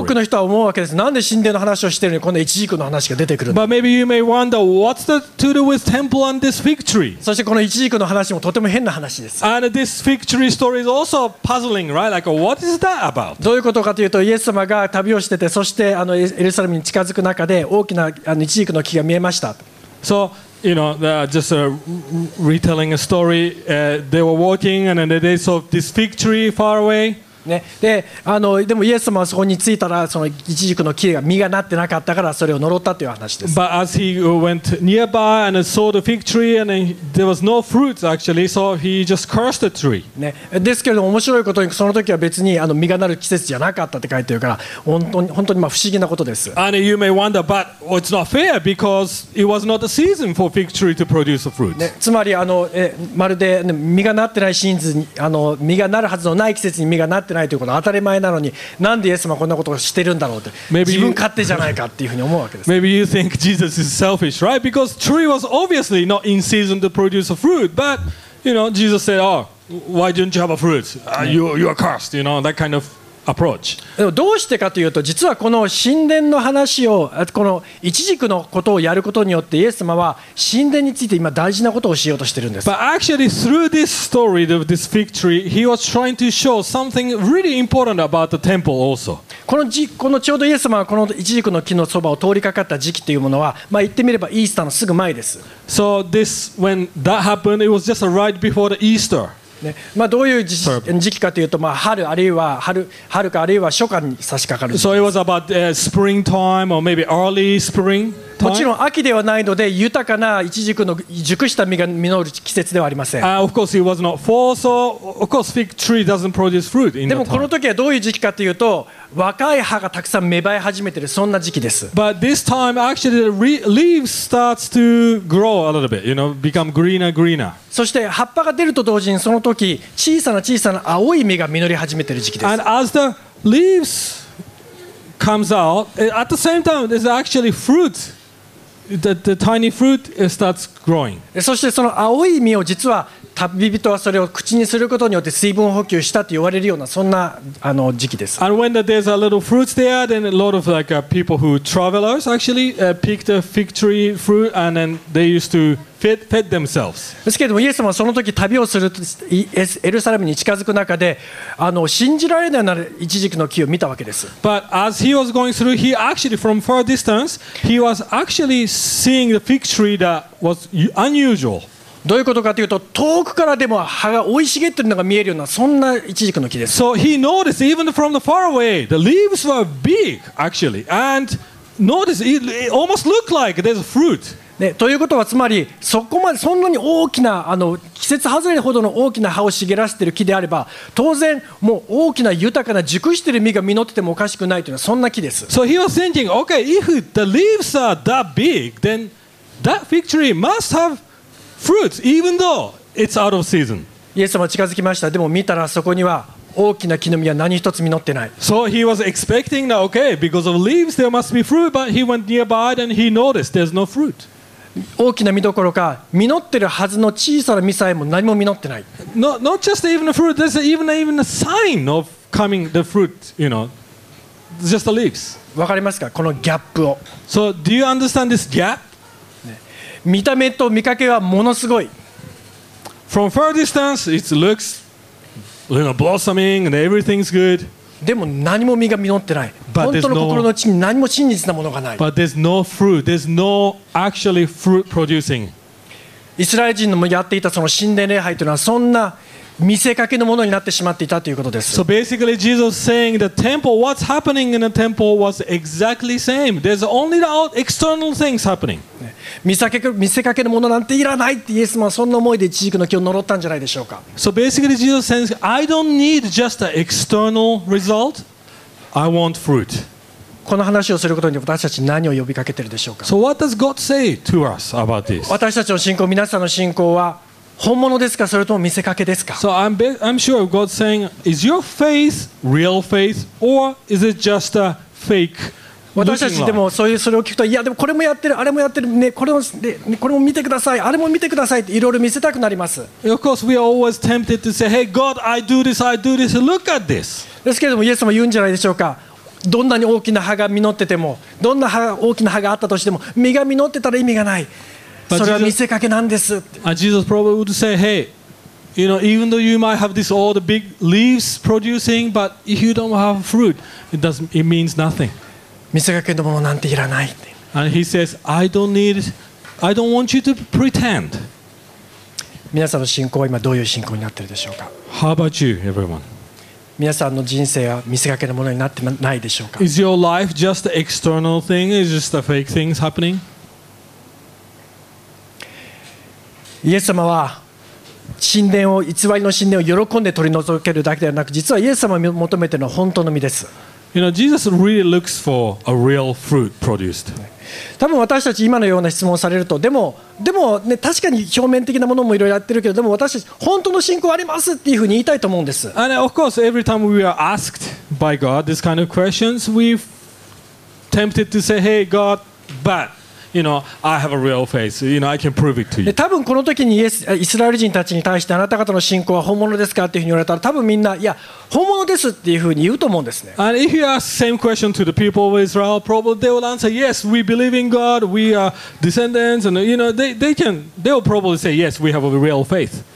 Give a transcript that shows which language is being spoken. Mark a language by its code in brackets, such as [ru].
[ja] 多くの人は思うわけです。なんで神殿の話をしているのにこのイチジクの話が出てくるの。 [en] But maybe you may wonder what's the to do with temple and this fig tree. [ja] そしてこのイチジクの話もとても変な話です。 [en] And this fig tree story is also puzzling, right? Like, what is that about? [ja] どういうことかというと、イエス様が旅をしてて、そしてエルサレムに近づく中で大きなイチジクの木が見えました。 [en] So, you know, just retelling a story, they were walking and then they saw this fig tree far away. [ja] ね、でもイエス様はそこに着いたら、そのイチジクの木が実がなってなかったからそれを呪ったという話です。 [en] But as he went nearby and saw the fig tree and there was no fruits actually, so he just cursed the tree.、 [ja] ね、ですけれども面白いことにその時は別に実がなる季節じゃなかったって書いてるから本当にまあ不思議なことです。 [en] And you may wonder, but it's not fair because it was not the season for fig tree to produce the fruits.、 [ja] ね、つまりまるで実がなってないシーズンに実がなるはずのない季節に実がなってないということは当たり前なのに、なんでイエス様はこんなことをしてるんだろうって自分勝手じゃないかっていうふうに思うわけです。 [en] Maybe you think Jesus is selfish, right? Because tree was obviously not in season to produce a fruit, but you know Jesus said, "Oh, why didn't you have a fruit? You are cursed." You know that kind of approach. [ja] どうしてかというと、実はこの神殿の話をこのイチジクのことをやることによってイエス様は神殿について今大事なことをしようとしてるんです。 [en] But actually, through this story of this fig tree, he was trying to show something really important about the temple also. [ja] このちょうどイエス様はこのイチジクの木のそばを通りかかった時期というものは、まあ言ってみればイースターのすぐ前です。 [en] So this when that happened, it was just right before the Easter. [ja] ねまあ、どういう時期かというと、まあ、春かあるいは初夏に差し掛かる。 [en] So it was about springtime or maybe early spring time? [ja] もちろん秋ではないので豊かなイチジクの熟した実が実る季節ではありません。 [en] Of course it was not fall, so of course fig tree doesn't produce fruit in [ja] でもこの時はどういう時期かというと若い葉がたくさん芽生え始めているそんな時期です。 [en] But this time actually the leaves starts to grow a little bit, you know, become greener, greener. [ja] そして葉っぱが出ると同時にその時小さな青い実が実り始めている時期です。 [en] And as the leaves comes out, at the same time there's actually fruit, the tiny fruit starts growing. [ja] そしてその青い実を実は旅人はそれを口にすることによって水分補給したと言われるようなそんな時期です。 [en] And when there's a little fruits there, then a lot of like people who travelers actually pick the fig tree fruit and then they used toFed themselves. [ja] ですけれどもイエス様はその時旅をするエルサレムに近づく中で信じられないならイチジクの木を見たわけです。 [en] But as he was going through, he actually from far distance, he was actually seeing the fig tree that was unusual. [ja] どういうことかというと遠くからでも葉が生い茂っているのが見えるようなそんなイチジクの木です。 [en] So he noticed even from the far away, the leaves were big actually, and noticed it almost looked like there's fruit. [ja] ね、ということはつまりそこまでそんなに大きな季節外れほどの大きな葉を茂らせている木であれば当然もう大きな豊かな熟している実が実っててもおかしくないというのはそんな木です。 [en] So he was thinking, okay, if the leaves are that big, then that fig tree must have fruits even though it's out of season. [ja] イエス様近づきました。でも見たらそこには大きな木の実は何一つ実ってない。 [en] So he was expecting that, okay, because of leaves there must be fruit, but he went nearby and he noticed there's no fruit. [ja] 大きな実どころか、実ってるはずの小さな実さえも何も実ってない。 [en] Not just even the fruit, there's even a sign of coming the fruit, you know, just the leaves. [ja] わかりますか、このギャップを。 [en] So do you understand this gap? [ja] 見た目と見かけはものすごい。 [en] From far distance, it looks, you know, blossoming and everything's good. [ja] でも何も実が実ってない。本当の心の地に何も真実なものがない。 [en] But there's no fruit. There's no actually fruit producing. [ja] イスラエル人のやっていたその神殿礼拝というのはそんな見せかけのものになってしまっていたということです。 [en] So basically, Jesus saying the temple, what's happening in the temple was exactly same. There's only the external things happening. [ja] 見せかけのものなんていらないってイエス様はそんな思いで一軸の木を呪ったんじゃないでしょうか。 [en] So basically Jesus says I don't need just the external result. I want fruit. [ja] この話をすることに私たち何を呼びかけてるでしょうか。 [en] So what does God say to us about this? [ja] 私たちの信仰、皆さんの信仰は本物ですか、それとも見せかけですか。 [en] So I'm sure God's saying is your faith real faith or is it just a fake? [ja] 私たちでもそういうそれを聞くと、いやでもこれもやってる、あれもやってる、ね、これも見てください、あれも見てくださいっていろいろ見せたくなります。 [en] Of course we are always tempted to say, hey God, I do this, look at this. [ja] ですけれどもイエス様言うんじゃないでしょうか、どんなに大きな葉が実ってても、どんな大きな葉があったとしても実が実ってたら意味がない、それは見せかけなんです。 [en] Jesus probably would say, hey, you know, even though you might have this all the big leaves producing, but if you don't have fruit, it means nothing. [ja] 見せかけのものなんていらない。 [en] And he says, I don't want you to pretend. [ja] 皆さんの信仰は今どういう信仰になっているでしょうか。 [en] How about you, everyone? [ja] 皆さんの人生は見せかけのものになってないでしょうか。 [en] Is your life just an external thing? Is just a fake things happening? [ja] イエス様は神殿を、偽りの神殿を喜んで取り除けるだけではなく、実はイエス様を求めているのは本当の実です。 [en] You know, Jesus really looks for a real fruit produced. [ja] 多分私たち今のような質問をされると、でも、ね、確かに表面的なものもいろいろやってるけど、でも私たち本当の信仰ありますっていうふうに言いたいと思うんです。 [en] And of course, every time we are asked by God this kind of questions, we're tempted to say, "Hey, God, but you know, I have a real faith. You know, I can prove it to you." [ja] 多分この時にイスラエル人たちに対してあなた方の信仰は本物ですかっていうふうに言われたら、多分みんな、いや。本物ですっていうふうに言うと思うんですね。 [en] And if you ask the same question to the people of Israel, probably they will answer, yes, we believe in God, we are descendants, and you know, they will probably say, yes, we have a real faith.